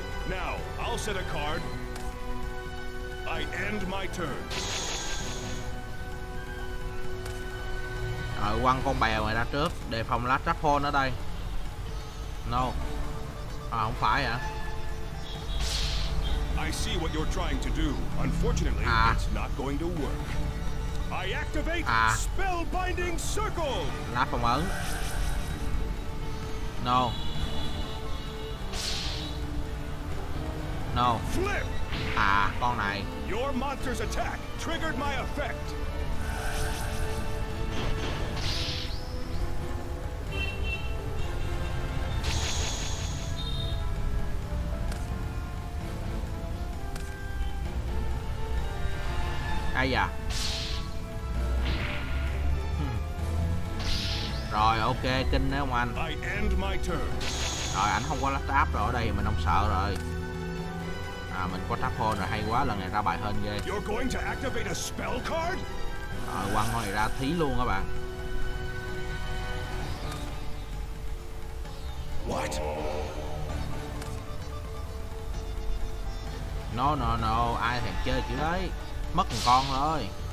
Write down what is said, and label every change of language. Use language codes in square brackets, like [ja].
[en] Now I'll set a card. I end my turn. [vi] Rồi quăng con bèo này ra trước, đề phòng lá trap hole ở đây. No. À không phải hả? [en] I see what you're trying to do. Unfortunately, it's not going to work. I activate spell binding circle. [vi] Lá phòng ấn. [en] No. Flip. [vi] À con này. [en] Your monster's attack triggered my effect. [vi] Ây da. Rồi ok, kinh đấy ông anh. [en] I end my turn. [vi] Rồi ảnh không có lát áp rồi, ở đây mình không sợ rồi. À mình có trap hole rồi, hay quá, lần này ra bài hên ghê. [en] You're going to activate a spell card? [vi] Rồi quăng con này ra thí luôn các bạn. [en] What? [vi] No, no, no, ai thèm chơi chữ đấy. Mất một con rồi.